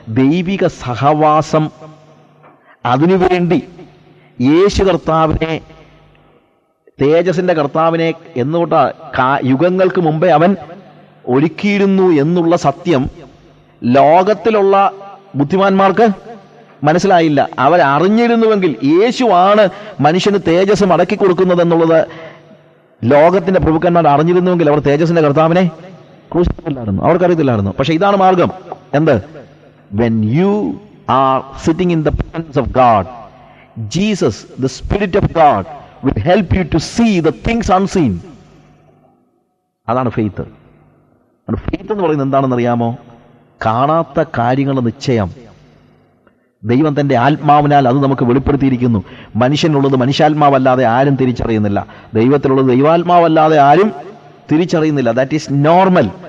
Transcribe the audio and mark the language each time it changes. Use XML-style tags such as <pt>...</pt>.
<ml>ദൈവിക സഹവാസം, അതിനുവേണ്ടി യേശു കർത്താവിനെ, തേജസിൻ്റെ കർത്താവിനെ എന്നുകൊണ്ട് യുഗങ്ങൾക്ക് മുമ്പേ അവൻ ഒരുക്കിയിരുന്നു എന്നുള്ള സത്യം ലോകത്തിലുള്ള ബുദ്ധിമാന്മാർക്ക് മനസ്സിലായില്ല. അവരറിഞ്ഞിരുന്നുവെങ്കിൽ യേശുവാണ് മനുഷ്യന് തേജസ് മടക്കി കൊടുക്കുന്നത് എന്നുള്ളത് ലോകത്തിൻ്റെ പ്രഭുക്കന്മാർ അറിഞ്ഞിരുന്നുവെങ്കിൽ അവർ തേജസിൻ്റെ കർത്താവിനെ ക്രൂശിക്കില്ലായിരുന്നു, അവർക്കറിയത്തില്ലായിരുന്നു. പക്ഷേ ഇതാണ് മാർഗം. എന്ത്?</ml> <en>When you are sitting in the presence of God, Jesus, the Spirit of God, will help you to see the things unseen.</en> <ml>അതാണ് ഫെയ്ത്ത്. ഫെയ്ത്ത് എന്ന് പറയുന്നത് എന്താണെന്നറിയാമോ? കാണാത്ത കാര്യങ്ങൾ നിശ്ചയം. ദൈവം തൻ്റെ ആത്മാവിനാൽ അത് നമുക്ക് വെളിപ്പെടുത്തിയിരിക്കുന്നു. മനുഷ്യനുള്ളത് മനുഷ്യാത്മാവല്ലാതെ ആരും തിരിച്ചറിയുന്നില്ല, ദൈവത്തിലുള്ളത് ദൈവാത്മാവല്ലാതെ ആരും തിരിച്ചറിയുന്നില്ല.</ml> <en>That is normal.</en>